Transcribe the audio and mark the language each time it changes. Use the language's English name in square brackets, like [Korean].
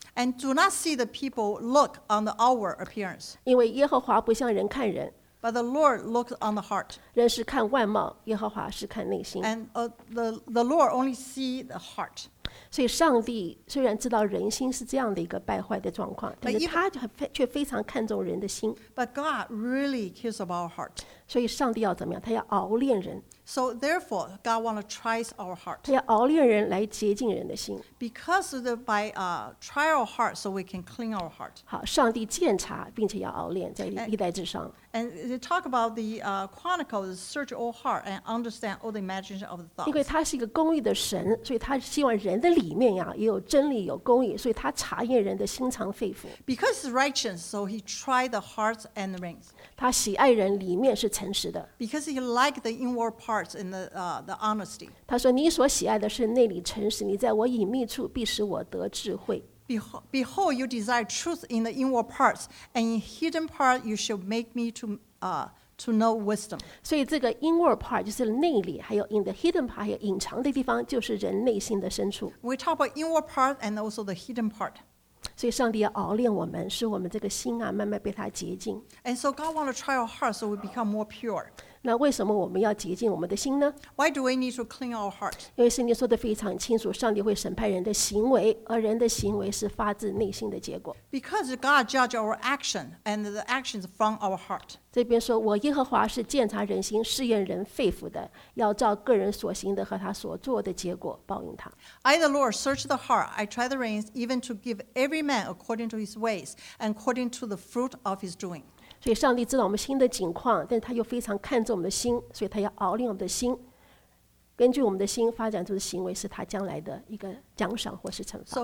[English] And do not see the people look on the outward appearance. [Chinese] 因为耶和华不像人看人。 [English] But the Lord looks on the heart. [Chinese] 人是看外貌，耶和华是看内心。 [English] And the Lord only see the heart. [Chinese] 所以上帝虽然知道人心是这样的一个败坏的状况，但是他却非常看重人的心。 [English] But God really cares about our heart. [Chinese] 所以上帝要怎么样？他要熬炼人。 [English] So therefore, God wants to try our heart. [Chinese] 他要熬炼人来洁净人的心。 [English] Because of the, by try our heart, so we can clean our heart. [Chinese] 好，上帝鉴察并且要熬炼在历代志上。 [English] And they talk about the chronicles, search all heart and understand all the imagination of the thoughts. [Chinese] 因为他是一个公义的神，所以他希望人的里面呀也有真理有公义，所以他查验人的心肠肺腑。 [English] Because he's righteous, so he tried the hearts and the reins. [Chinese] 他喜爱人里面是诚实的。 [English] Because he liked the inward part. Parts in the honesty. [Chinese] 他说：“你所喜爱的是内里诚实。你在我隐秘处，必使我得智慧。 [English] Behold, you desire truth in the inward parts, and in hidden part you shall make me to know wisdom. [Chinese] 所以这个 [English] inward part [Chinese] 就是内里，还有 [English] in the hidden part [Chinese] 还有隐藏的地方，就是人内心的深处。 [English] We talk about inward part and also the hidden part. [Chinese] 所以上帝要熬炼我们，使我们这个心啊慢慢被他洁净。 [English] And so God wants to try our hearts so we become more pure. [Chinese] 那为什么我们要洁净我们的心呢？ [English] Why do we need to clean our heart? [Chinese] 因为圣经说的非常清楚，上帝会审判人的行为，而人的行为是发自内心的结果。 [English] Because God judges our action, and the actions from our heart. [Chinese] 这边说，我耶和华是鉴察人心，试验人肺腑的，要照个人所行的和他所做的结果报应他。 [English] I the Lord search the heart, I try the reins, even to give every man according to his ways and according to the fruit of his doing. [Chinese] 所以上帝知道我们心的景况，但他又非常看重我们的心，所以他要熬炼我们的心，根据我们的心发展出的行为是他将来的一个奖赏或是惩罚。